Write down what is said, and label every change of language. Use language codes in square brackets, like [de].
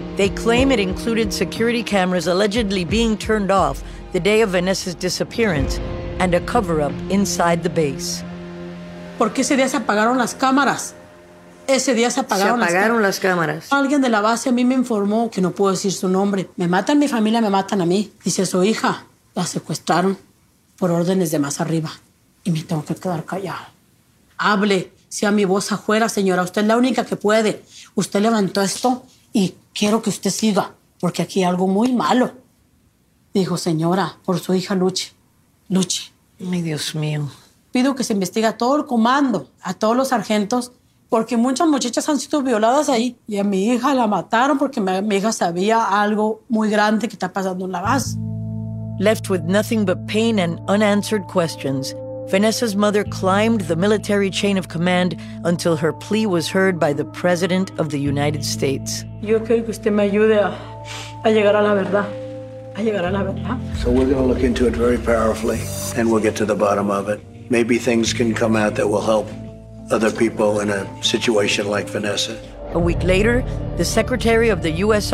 [en] They claim it included security cameras allegedly being turned off the day of Vanessa's disappearance and a cover-up inside the base. [es] ¿Por qué ese día se apagaron las cámaras? Ese día se apagaron las cámaras. Alguien de la base a mí me informó que no puedo decir su nombre. Me matan mi familia, me matan a mí. Dice su hija, la secuestraron por órdenes de más arriba y me tengo que quedar callada. Hable, sea mi voz afuera, señora. Usted es la única que puede. Usted levantó esto y quiero que usted siga, porque aquí hay algo muy malo. Dijo, señora, por su hija luche. Luche. Mi Dios mío. Pido que se investigue a todo el comando, a todos los sargentos, porque muchas muchachas han sido violadas ahí. Y a mi hija la mataron porque mi hija sabía algo muy grande que está pasando en la base. [en] Left with nothing but pain and unanswered questions, Vanessa's mother climbed the military chain of command until her plea was heard by the President of the United States. [es] Yo quiero que usted me ayude a llegar a la verdad. A llegar a la verdad. [en] So we're going to look into it very powerfully, and we'll get to the bottom of it. Maybe things can come out that will help other people in a situation like Vanessa. A week later, the Secretary of the U.S.